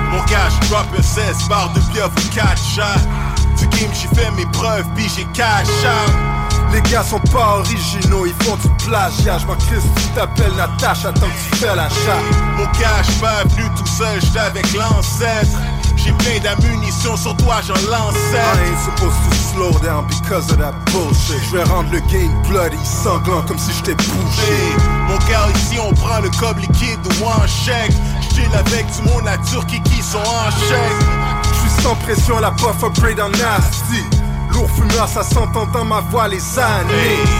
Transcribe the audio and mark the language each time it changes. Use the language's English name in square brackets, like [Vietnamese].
[French] Mon cash drop un 16 bar de pieuvre catch up. Du game, j'ai fait mes preuves, puis j'ai cash up. Les gars sont pas originaux, ils font du plagiat. J'm'en crisse, tu t'appelles Natasha, attends que tu fais l'achat. Mon cash pas venu tout seul, j'étais avec l'ancêtre. J'ai plein d'ammunition sur toi, j'en lance. [English] I ain't supposed to slow down because of that bullshit. [French] J'vais rendre le game bloody, sanglant comme si j't'ai bougé. Hey, mon gars, ici on prend le cob liquide ou en chèque. J'chill avec tout mon nature qui sont en chèque. J'suis sans pression, la puff upgrade en nasty. Lourd fumeur, ça s'entend dans ma voix les années.